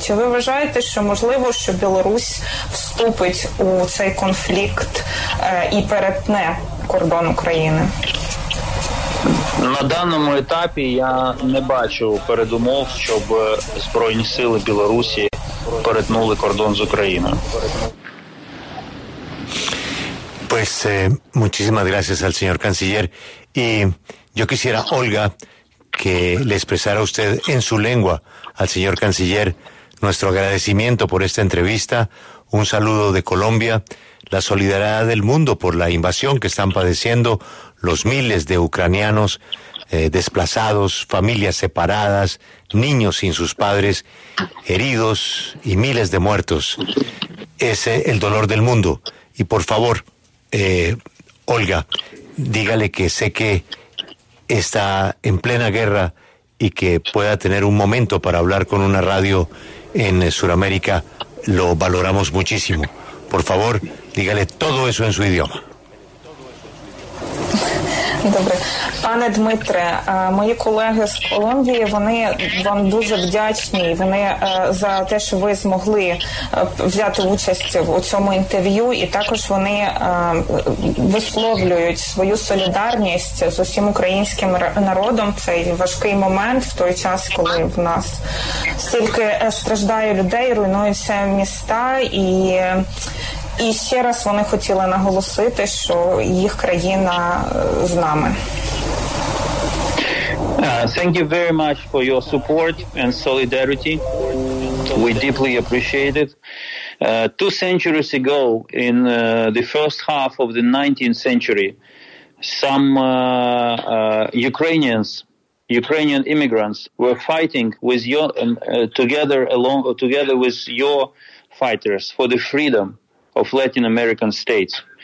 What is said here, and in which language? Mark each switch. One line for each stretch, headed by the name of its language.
Ukrainian: Чи ви вважаєте, що можливо, що Білорусь вступить у цей конфлікт і перетне кордон України? На даному етапі я не бачу передумов, щоб Збройні сили Білорусі перетнули кордон з Україною.
Spanish: Pues muchísimas gracias al señor canciller y yo quisiera Olga que le expresara usted en su lengua al señor canciller nuestro agradecimiento por esta entrevista, un saludo de Colombia, la solidaridad del mundo por la invasión que están padeciendo los miles de ucranianos desplazados, familias separadas, niños sin sus padres, heridos y miles de muertos. Ese es el dolor del mundo. Y por favor, Olga, dígale que sé que está en plena guerra y que pueda tener un momento para hablar con una radio en Sudamérica. Lo valoramos muchísimo. Por favor, dígale todo eso en su idioma.
Ukrainian: Добре. Пане Дмитре, мої колеги з Колумбії, вони вам дуже вдячні. Вони за те, що ви змогли взяти участь у цьому інтерв'ю, і також вони висловлюють свою солідарність з усім українським народом. Цей важкий момент в той час, коли в нас стільки страждає людей, руйнуються міста і... І ще раз вони хотіли наголосити, що їх країна з нами.
English: Thank you very much for your support and solidarity. We deeply appreciate it. Two centuries ago, in the first half of the 19th century, some Ukrainian immigrants were fighting with your together with your fighters for the freedom of Latin American states.